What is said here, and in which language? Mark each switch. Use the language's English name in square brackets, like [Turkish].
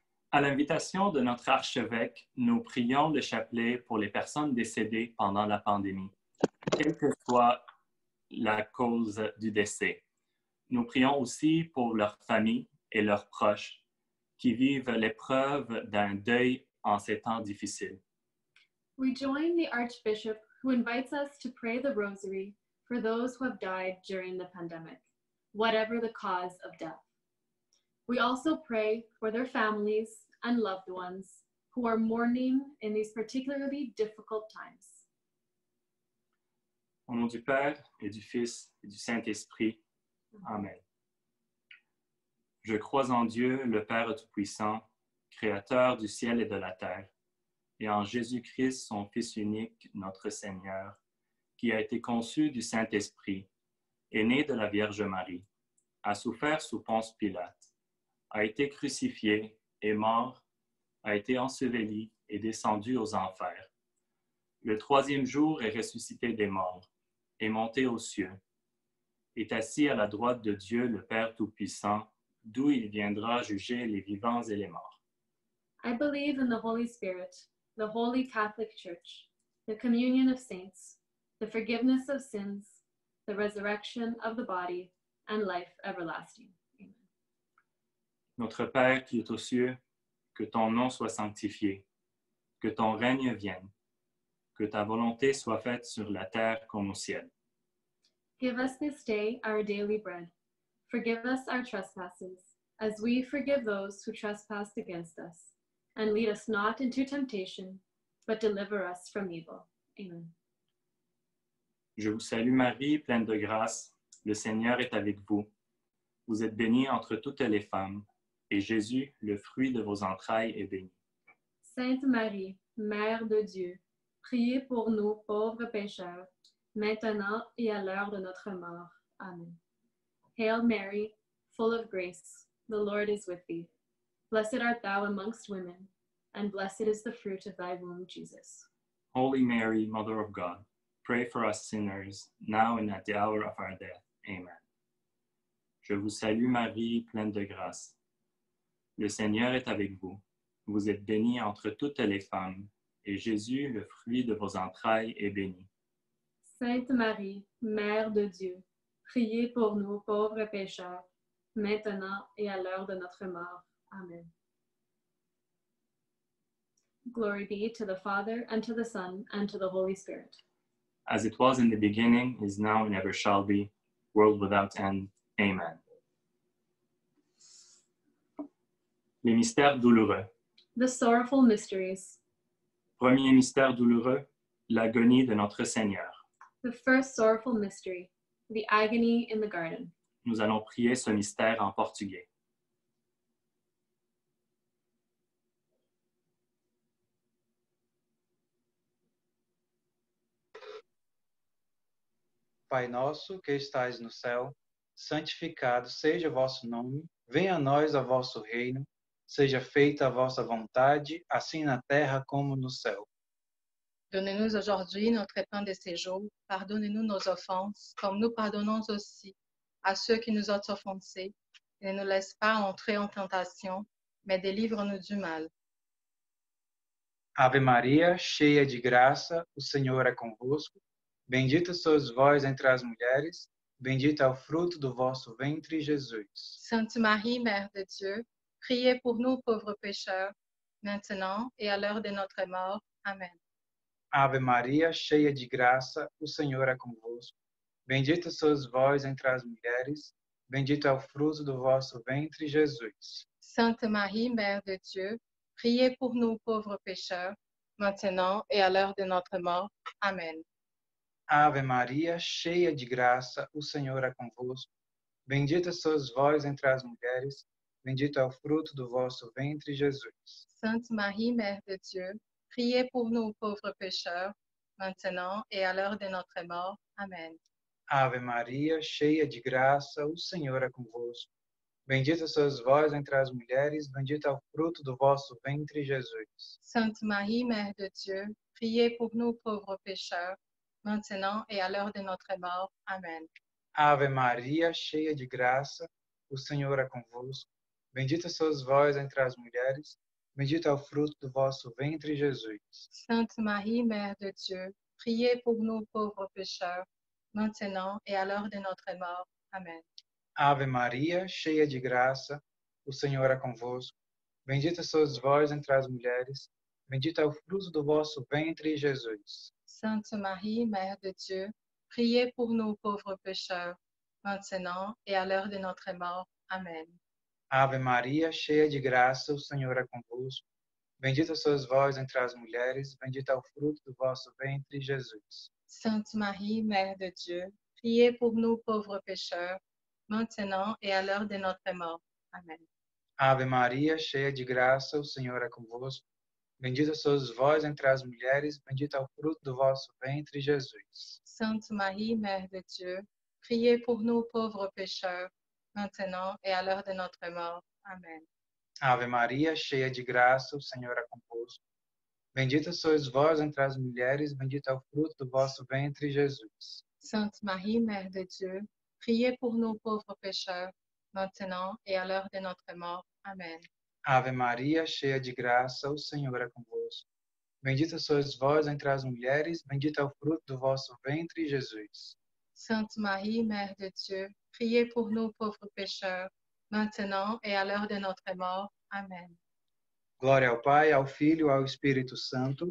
[French] À l'invitation de notre archevêque, nous prions le chapelet pour les personnes décédées pendant la pandémie, quelle que soit la cause du décès. Nous prions aussi pour leurs familles et leurs proches qui vivent l'épreuve d'un deuil en ces temps difficiles. [English] We join the Archbishop who invites us to pray the rosary for those who have died during the pandemic, whatever the cause of death. We also pray for their families and loved ones who are mourning in these particularly difficult times. [French] Au nom du Père, et du Fils, et du Saint-Esprit. Amen. Je crois en Dieu, le Père Tout-Puissant, Créateur du ciel et de la terre, et en Jésus-Christ, son Fils unique, notre Seigneur, qui a été conçu du Saint-Esprit, est né de la Vierge Marie, a souffert sous Ponce Pilate, a été crucifié et mort, a été enseveli et descendu aux enfers. Le troisième jour est ressuscité des morts, est monté aux cieux, est assis à la droite de Dieu le Père Tout-Puissant, d'où il viendra juger les vivants et les morts. [English] I believe in the Holy Spirit, the Holy Catholic Church, the communion of saints, the forgiveness of sins, the resurrection of the body, and life everlasting. Amen. [French] Notre Père qui es aux cieux, que ton nom soit sanctifié, que ton règne vienne, que ta volonté soit faite sur la terre comme au ciel. [English] Give us this day our daily bread. Forgive us our trespasses, as we forgive those who trespass against us. And lead us not into temptation, but deliver us from evil. Amen. [French] Je vous salue Marie, pleine de grâce. Le Seigneur est avec vous. Vous êtes bénie entre toutes les femmes. Et Jésus, le fruit de vos entrailles, est béni. Sainte Marie, Mère de Dieu, priez pour nous, pauvres pécheurs, maintenant et à l'heure de notre mort. Amen. [English] Hail Mary, full of grace, the Lord is with thee. Blessed art thou amongst women, and blessed is the fruit of thy womb, Jesus. Holy Mary, Mother of God, pray for us sinners, now and at the hour of our death. Amen. [French] Je vous salue, Marie, pleine de grâce. Le Seigneur est avec vous. Vous êtes bénie entre toutes les femmes. Et Jésus, le fruit de vos entrailles, est béni. Sainte Marie, Mère de Dieu, priez pour nous, pauvres pécheurs, maintenant et à l'heure de notre mort. Amen. [English] Glory be to the Father, and to the Son, and to the Holy Spirit. As it was in the beginning, is now, and ever shall be, world without end. Amen. [French] Les mystères douloureux. [English] The sorrowful mysteries. [French] Premier mystère douloureux, l'agonie de notre Seigneur. [English] The first sorrowful mystery, the agony in the garden. [French] Nous allons prier ce mystère en portugais. [Portuguese] Pai nosso que estais no céu, santificado seja o vosso nome, venha a nós o vosso reino, seja feita a vossa vontade, assim na terra como no céu. [French] Donne-nous aujourd'hui notre pain de ce jour, pardonne-nous nos offenses, comme nous pardonnons aussi à ceux qui nous ont offensés, et ne nous laisse pas entrer en tentation, mais délivre-nous du mal. [Portuguese] Ave Maria, cheia de graça, o Senhor é convosco. Bendita sois vós entre as mulheres, bendito é o fruto do vosso ventre, Jesus. [French] Sainte Marie, Mère de Dieu, priez pour nous, pauvres pécheurs, maintenant et à l'heure de notre mort. Amen. [Portuguese] Ave Maria, cheia de graça, o Senhor é convosco. Bendita sois vós entre as mulheres, bendito é o fruto do vosso ventre, Jesus. [French] Sainte Marie, Mère de Dieu, priez pour nous, pauvres pécheurs, maintenant et à l'heure de notre mort. Amen. [Portuguese] Ave Maria, cheia de graça, o Senhor é convosco. Bendita sois vós entre as mulheres, bendito é o fruto do vosso ventre, Jesus. [French] Sainte Marie, Mère de Dieu, priez pour nous, pauvres pécheurs, maintenant et à l'heure de notre mort. Amen. [Portuguese] Ave Maria, cheia de graça, o Senhor é convosco. Bendita sois vós entre as mulheres, bendito é o fruto do vosso ventre, Jesus. [French] Sainte Marie, Mère de Dieu, priez pour nous, pauvres pécheurs, maintenant et à l'heure de notre mort. Amen. [Portuguese] Ave Maria, cheia de graça, o Senhor é convosco. Bendita sois vós entre as mulheres, bendito é o fruto do vosso ventre, Jesus. [French] Sainte Marie, Mère de Dieu, priez pour nous pauvres pécheurs, maintenant et à l'heure de notre mort. Amen. [Portuguese] Ave Maria, cheia de graça, o Senhor é convosco. Bendita sois vós entre as mulheres, bendito é o fruto do vosso ventre, Jesus. [French] Sainte Marie, Mère de Dieu, priez pour nous pauvres pécheurs, maintenant et à l'heure de notre mort. Amen. [Portuguese] Ave Maria, cheia de graça, o Senhor é convosco. Bendita sois vós entre as mulheres, bendito é o fruto do vosso ventre, Jesus. [French] Sainte Marie, Mère de Dieu, priez pour nous pauvres pécheurs, maintenant et à l'heure de notre mort. Amen. [Portuguese] Ave Maria, cheia de graça, o Senhor é convosco. Bendita sois vós entre as mulheres, bendito é o fruto do vosso ventre, Jesus. [French] Sainte Marie, Mère de Dieu, priez pour nous pauvres pécheurs, maintenant et à l'heure de notre mort. Amen. [Portuguese] Ave Maria, cheia de graça, o Senhor é convosco. Bendita sois vós entre as mulheres, bendito é o fruto do vosso ventre, Jesus. [French] Sainte Marie, Mère de Dieu, priez pour nous pauvres pécheurs, maintenant et à l'heure de notre mort. Amen. [Portuguese] Ave Maria, cheia de graça, o Senhor é convosco. Bendita sois vós entre as mulheres, bendito é o fruto do vosso ventre, Jesus. [French] Sainte Marie, Mère de Dieu, priez pour nous pauvres pécheurs, maintenant et à l'heure de notre mort. Amen. [Portuguese] Glória ao Pai, ao Filho, ao Espírito Santo.